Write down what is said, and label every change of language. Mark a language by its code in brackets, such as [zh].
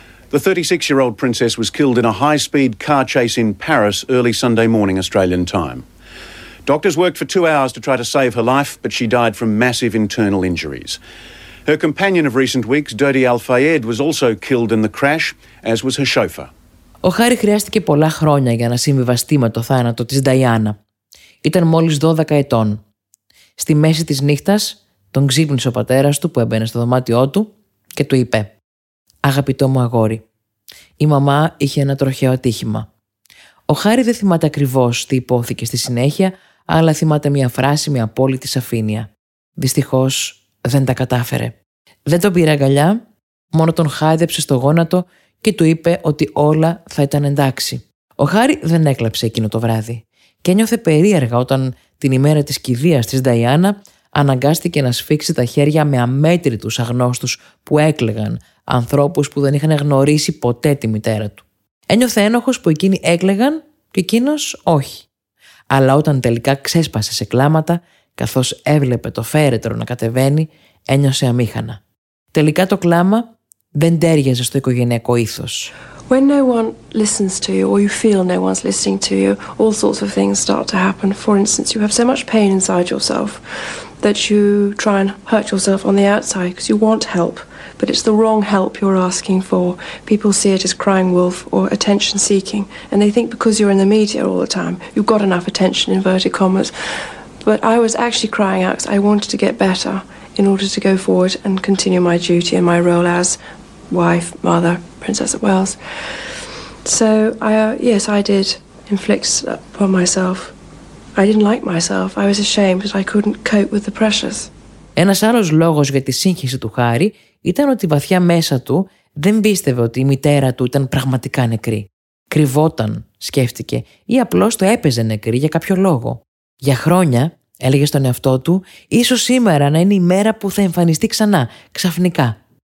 [en] The 36-year-old princess was killed in a high-speed car chase in Paris early Sunday morning Australian time. Doctors worked for 2 hours to try to save her life, but she died from massive internal injuries. Her companion of recent weeks, Dodi Al-Fayed, was also killed in the crash, as was her chauffeur. [el] Ο Χάρη χρειάστηκε πολλά χρόνια για να συμβιβαστεί με το θάνατο της Νταϊάννα. Ήταν μόλις 12 ετών. Στη μέση της νύχτας τον ξύπνησε ο πατέρας του που έμπαινε στο δωμάτιό του και του είπε «Αγαπητό μου αγόρι, η μαμά είχε ένα τροχαίο ατύχημα». Ο Χάρη δεν θυμάται ακριβώς τι υπόθηκε στη συνέχεια, αλλά θυμάται μια φράση με απόλυτη σαφήνεια. Δυστυχώς δεν τα κατάφερε. Δεν τον πήρε αγκαλιά, μόνο τον χάιδεψε στο γόνατο και του είπε ότι όλα θα ήταν εντάξει. Ο Χάρη δεν έκλαψε εκείνο το βράδυ και νιώθε περίεργα όταν την ημέρα της κηδείας της Νταϊάννα αναγκάστηκε να σφίξει τα χέρια με αμέτρητους αγνώστους που έκλαιγαν, ανθρώπους που δεν είχαν γνωρίσει ποτέ τη μητέρα του. Ένιωθε ένοχος που εκείνοι έκλαιγαν και εκείνος όχι. Αλλά όταν τελικά ξέσπασε σε κλάματα, καθώς έβλεπε το φέρετρο να κατεβαίνει, ένιωσε αμήχανα. Τελικά το κλάμα δεν τέριαζε στο οικογενειακό ήθος. [en] When no one listens to you, or you feel no one's listening to you, all sorts of things start to happen. For instance, you have so much pain inside yourself that you try and hurt yourself on the outside because you want help, but it's the wrong help you're asking for. People see it as crying wolf or attention seeking, and they think because you're in the media all the time, you've got enough attention, inverted commas. But I was actually crying out because I wanted to get better in order to go forward and continue my duty and my role as wife, mother, Princess of Wales. So I did inflict upon myself. I didn't like myself. I was ashamed that I couldn't cope with the pressures. [el] Ένας άλλος λόγος για τη σύγχυση του Χάρη ήταν ότι βαθιά μέσα του δεν πίστευε ότι η μητέρα του ήταν πραγματικά νεκρή. Κρυβόταν, σκέφτηκε, ή απλώς το έπαιζε νεκρή για κάποιο λόγο. Για χρόνια, έλεγε στον εαυτό του, ίσως σήμερα να είναι η μέρα που θα εμφανιστεί ξανά, ξαφνικά.